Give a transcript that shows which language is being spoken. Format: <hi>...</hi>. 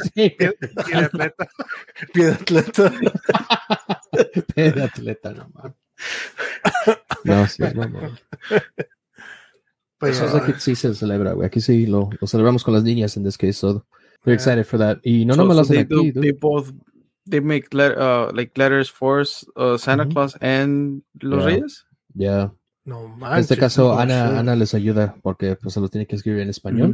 <es>Sí, pie de atleta. Pie de atleta. Pie de atleta, nomás. No, sí, nomás. Pues eso es que sí se celebra, güey. Aquí sí lo celebramos con las niñas en este caso.</es> <en>We're excited for that.</en> <es>Y no, nomás lo hacen aquí.</es> <en>They both, they make letters for Santa Claus and Los Reyes. Yeah.</en> <es>No manches, en este caso, Ana les ayuda porque pues, se lo tiene que escribir en español.</es>